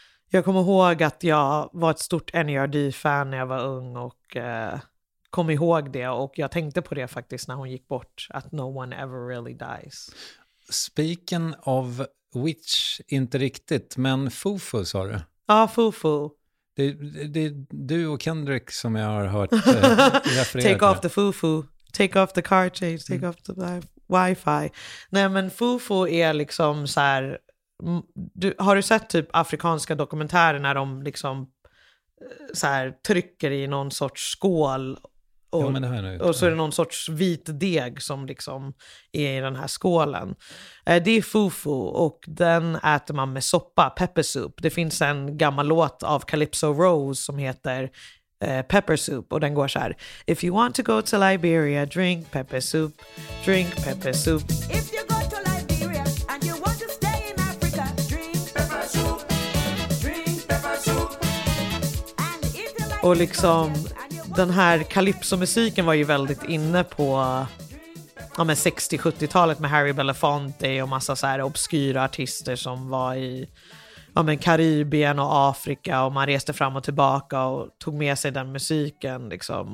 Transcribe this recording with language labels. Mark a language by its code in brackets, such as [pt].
[sv] Jag kommer ihåg att jag var ett stort NERD-fan när jag var ung och kom ihåg det. Och jag tänkte på det faktiskt när hon gick bort, att [en] no one ever really dies. Speaking of which, [sv] inte riktigt, men fufu sa du? Ja, fufu. Det är du och Kendrick som jag har hört referera. [en] Take off the fufu, take off the car chase, take off the wifi. [sv] Nej, men fufu är liksom så här, har du sett typ afrikanska dokumentärer när de liksom så här trycker i någon sorts skål och, ja, men det här nu, och så är det någon sorts vit deg som liksom är i den här skålen. Det är fufu och den äter man med soppa, pepper soup. Det finns en gammal låt av Calypso Rose som heter pepper soup, och den går så här: [en] if you want to go to Liberia, drink pepper soup, [sv] drink pepper soup. [en] If you go to Liberia and you want to stay in Africa, drink pepper soup, drink pepper soup. And if you like, [sv] och liksom den här calypso-musiken var ju väldigt inne på, ja, men 60-70-talet med Harry Belafonte och massa så här obskyra artister som var i, ja, men Karibien och Afrika, och man reste fram och tillbaka och tog med sig den musiken liksom.